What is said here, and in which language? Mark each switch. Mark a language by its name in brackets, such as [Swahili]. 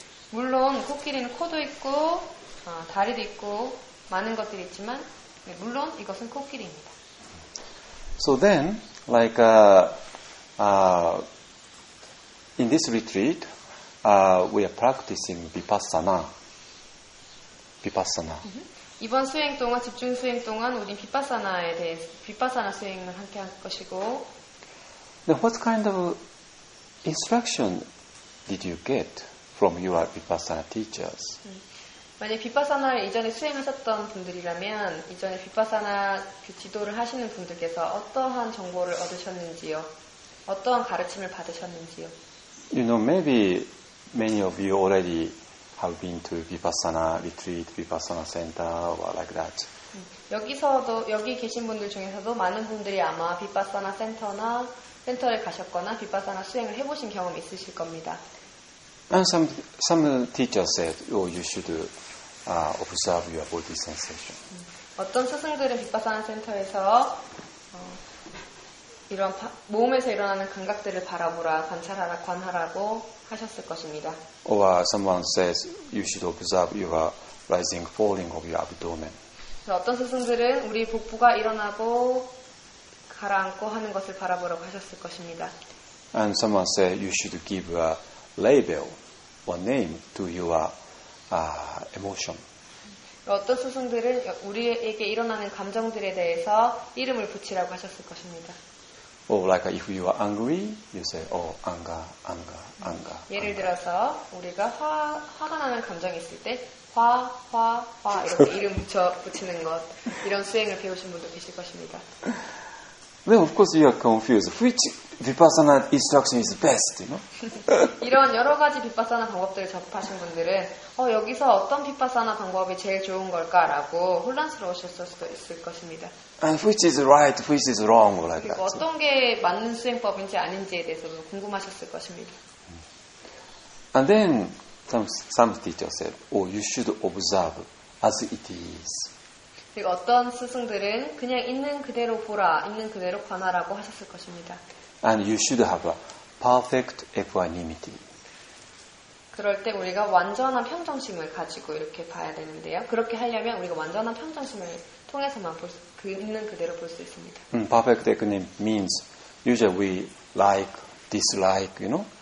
[Korean] 물론 코끼리는 코도 있고 다리도 있고 많은 것들이 있지만 물론 이것은 코끼리입니다. [English] So then, like in this retreat, we are practicing vipassana. Vipassana. [Korean] 이번 수행 동안 집중 수행 동안 우린 비파사나에 대해 비파사나 수행을 함께 할 것이고. [English] Then what kind of instruction did you get from your vipassana teachers? [Korean] 만약 비파사나를 이전에 수행하셨던 분들이라면 이전에 비파사나 그 지도를 하시는 분들께서 어떠한 정보를 얻으셨는지요? 어떠한 가르침을 받으셨는지요? [English] You know, maybe many of you already have been to Vipassana retreat, Vipassana center, or like that. [Korean] 여기서도 여기 계신 분들 중에서도 많은 분들이 아마 Vipassana center나 센터를 가셨거나 Vipassana 수행을 해보신 경험 있으실 겁니다. [English] And some teachers said, "Oh, you should observe your body sensation." [Korean] 어떤 스승들은 Vipassana 센터에서 이런 몸에서 일어나는 감각들을 바라보라, 관찰하라, 관하라고 하셨을 것입니다. [English] Or someone says you should observe your rising, falling of your abdomen. [Korean] 어떤 스승들은 우리 복부가 일어나고 가라앉고 하는 것을 바라보라고 하셨을 것입니다. [English] And someone says you should give a label or name to your emotion. [Korean] 어떤 스승들은 우리에게 일어나는 감정들에 대해서 이름을 붙이라고 하셨을 것입니다. [English] Or like if you are angry, you say, "Oh, anger, anger, anger." [Korean] 예를 들어서 우리가 화가 나는 감정이 있을 때 화 이렇게 이름 붙이는 것 이런 수행을 배우신 분도 계실 것입니다. [English] Then of course you are confused. Which vipassana instruction is best? You know? [Korean] 이런 여러 가지 vipassana 방법들을 접하신 분들은 여기서 어떤 vipassana 방법이 제일 좋은 걸까라고 혼란스러우셨을 수도 있을 것입니다. [English] And which is right, which is wrong, like that. [Korean] 그리고 어떤 게 맞는 수행법인지 아닌지에 대해서도 궁금하셨을 것입니다. [English] And then some teacher said, "Oh, you should observe as it is." [Korean] 그리고 어떤 스승들은 그냥 있는 그대로 보라, 있는 그대로 관하라고 하셨을 것입니다. [English] And you should have a perfect equanimity. [Korean] 그럴 때 우리가 완전한 평정심을 가지고 이렇게 봐야 되는데요. 그렇게 하려면 우리가 완전한 평정심을 통해서만 있는 그대로 볼 수 있습니다. [English] Perfect equanimity means usually we like, dislike, you know?